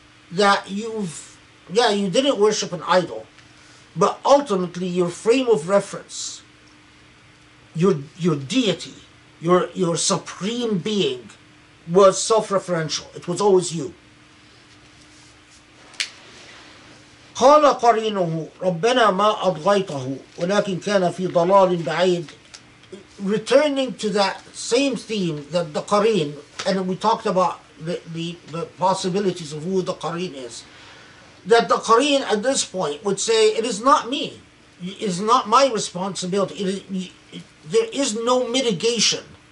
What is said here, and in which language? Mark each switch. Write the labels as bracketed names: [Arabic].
[English] That you didn't worship an idol, but ultimately your frame of reference, your deity, your supreme being was self-referential. It was always you. [Arabic] قال قرينه ربنا ما أضغيته ولكن كان في ضلال بعيد. [English] Returning to that same theme that the Qareen, and we talked about the possibilities of who the Qareen is, that the Qareen at this point would say, it is not me, it is not my responsibility, there is no mitigation